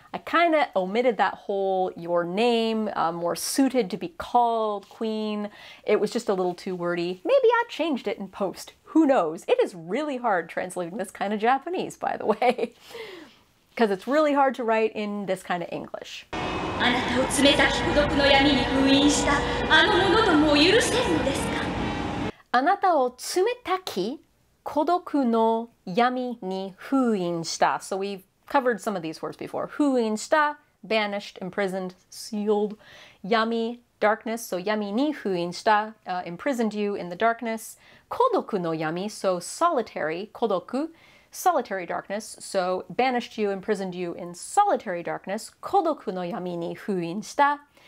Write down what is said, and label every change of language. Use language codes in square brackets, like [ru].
[en] I kind of omitted that whole, your name, more suited to be called queen. It was just a little too wordy. Maybe I changed it in post. Who knows? It is really hard translating this kind of Japanese, by the way. Because it's really hard to write in this kind of English. [ja] あなたを冷たき孤独の闇に封印したあの者ともう許せるのですか？あなたを冷たき孤独の闇に封印した。 [en] So we've covered some of these words before. [ja] 封印した, [en] banished, imprisoned, sealed. 闇, darkness. So [ja] 闇に封印した, [en] imprisoned you in the darkness. [ja] 孤独の闇, [en] so solitary, 孤独, solitary darkness, so banished you, imprisoned you in solitary darkness, [ja] 孤独の闇に封印した。